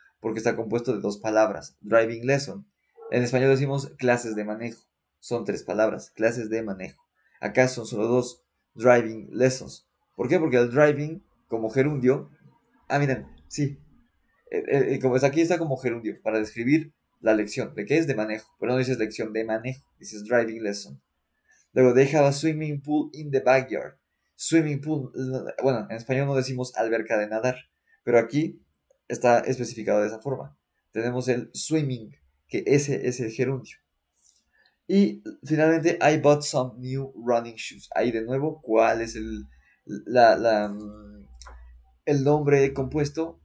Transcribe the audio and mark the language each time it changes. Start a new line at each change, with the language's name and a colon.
Spanish: Porque está compuesto de dos palabras. Driving lesson. En español decimos clases de manejo. Son tres palabras. Clases de manejo. Acá son solo dos. Driving lessons. ¿Por qué? Porque el driving, como gerundio. Ah, miren, sí. Como es aquí, está como gerundio para describir la lección. ¿De qué es? De manejo. Pero no dices lección de manejo, dices driving lesson.
English: Luego, they have a swimming pool in the backyard. Swimming pool.
Spanish: Bueno, en español no decimos alberca de nadar. Pero aquí está especificado de esa forma. Tenemos el swimming, que ese es el gerundio. Y finalmente, I bought some new running shoes. Ahí de nuevo, ¿cuál es el nombre compuesto?